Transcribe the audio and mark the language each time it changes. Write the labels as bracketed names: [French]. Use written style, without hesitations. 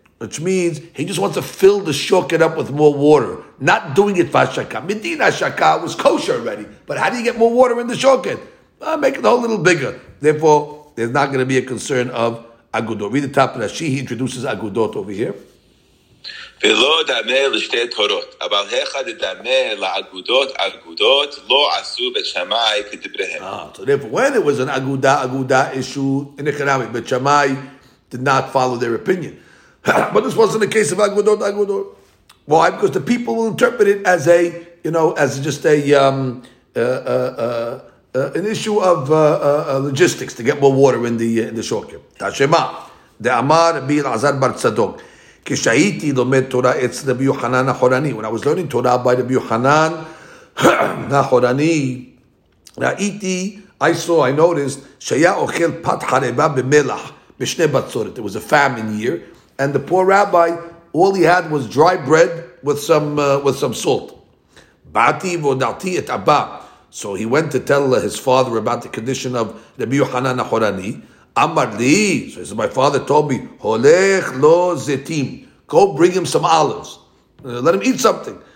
[English] Which means he just wants to fill the shoket up with more water. Not doing it for hashaka. Medina hashaka was kosher already. But how do you get more water in the shoket? Make it a whole little bigger. Therefore, there's not going to be a concern of agudot. Read the top of the Rashi, he introduces agudot over here. [Hebrew] ולא דמה לשתי תורות, אבל היכה דמה לאגודות, אגודות לא עשו בית שמאי כדבריהם. [English] So therefore, when it was an aguda issue in economic, בית שמאי did not follow their opinion. But this wasn't a case of agudot. Why? Because the people will interpret it as a, you know, as just a, an issue of logistics to get more water in the short term. [Hebrew] תשמע, דאמר בי אלעזר בר צדוק. כשהייתי לומד תורה אצל רבי יוחנן החורני, [English] when I was learning Torah by [Hebrew] רבי יוחנן החורני, [English] I noticed, [Hebrew] שהיה אוכל פת חרבה במלח, בשני בצורת. [English] It was a famine year, and the poor rabbi, all he had was dry bread with some salt. [Hebrew] באתי והודעתי את אבא. [English] So he went to tell his father about the condition of רבי יוחנן החורני. Amar li, so he said, my father told me, [Hebrew] holech lo zetim, [English] go bring him some olives. Let him eat something.